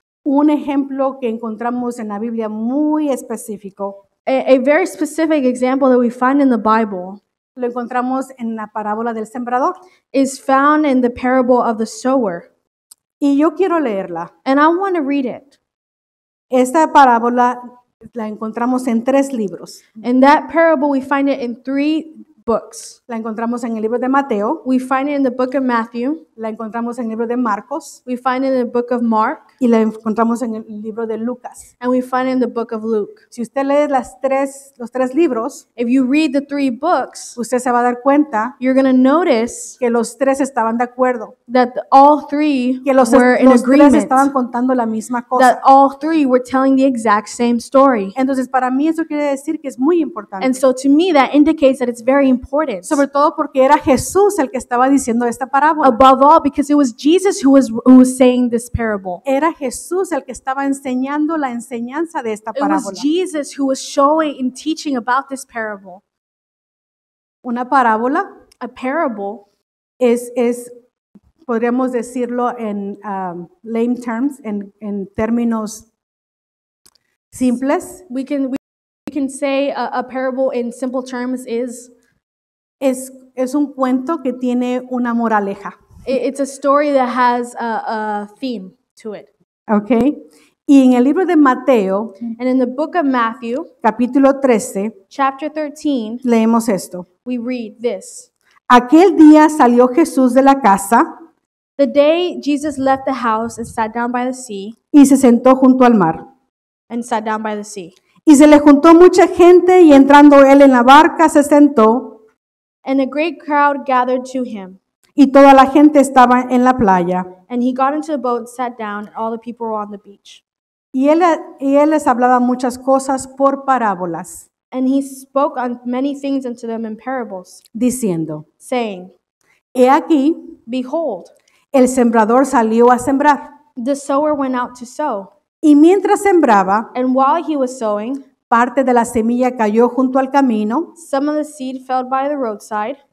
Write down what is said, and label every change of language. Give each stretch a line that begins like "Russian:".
Spanish: Un ejemplo que encontramos en la Biblia muy específico.
English: A very specific example that we find in the Bible.
Spanish: Lo encontramos en la parábola del sembrador.
English: Is found in the parable of the sower.
Spanish: Y yo quiero leerla.
English: And I want to read it.
Spanish: Esta parábola la encontramos en tres libros.
English: And that parable we find it in three books.
Spanish: La encontramos en el libro de Mateo.
English: We find it in the book of Matthew.
Spanish: La encontramos en el libro de Marcos.
English: We find it in the book of Mark.
Spanish: Y la encontramos en el libro de Lucas.
English: And we find it in the book of Luke.
Spanish: Si usted lee los tres libros,
English: if you read the three books,
Spanish: usted se va a dar cuenta,
English: you're going to notice,
Spanish: que los tres estaban de acuerdo,
English: that all three
Spanish: que los,
English: were
Spanish: los
English: in agreement,
Spanish: tres estaban contando la misma cosa,
English: that all three were telling the exact same story.
Spanish: Entonces para mí eso quiere decir que es muy importante.
English: And so to me that indicates that it's very important.
Spanish: Sobre todo porque era Jesús el que estaba diciendo esta parábola.
English: Above all because it was Jesus who was saying this parable.
Spanish: Era Jesús el que estaba enseñando la enseñanza de esta parábola.
English: It was Jesus who was showing and teaching about this parable.
Spanish: Una parábola,
English: a parable,
Spanish: es podríamos decirlo en
English: lame terms,
Spanish: en términos simples.
English: We can say a parable in simple terms is.
Spanish: Es un cuento que tiene una moraleja.
English: It's a story that has a theme to it.
Spanish: Okay. Y en el libro de Mateo,
English: and in the book of Matthew,
Spanish: capítulo 13,
English: chapter 13,
Spanish: leemos esto.
English: We read this.
Spanish: Aquel día salió Jesús de la casa.
English: The day Jesus left the house and sat down by the sea.
Spanish: Y se sentó junto al mar.
English: And sat down by the sea.
Spanish: Y se le juntó mucha gente y entrando él en la barca se sentó.
English: And a great crowd gathered to him.
Spanish: Y toda la gente estaba en la playa.
English: And he got into the boat and sat down, and all the people were on the beach.
Spanish: Y él les hablaba muchas cosas por parábolas.
English: And he spoke on many things unto them in parables.
Spanish: Diciendo.
English: Saying.
Spanish: He aquí.
English: Behold.
Spanish: El sembrador salió a sembrar.
English: The sower went out to sow.
Spanish: Y mientras sembraba.
English: And while he was sowing.
Spanish: Parte de la semilla cayó junto al camino.
English: Some of the seed fell by the roadside.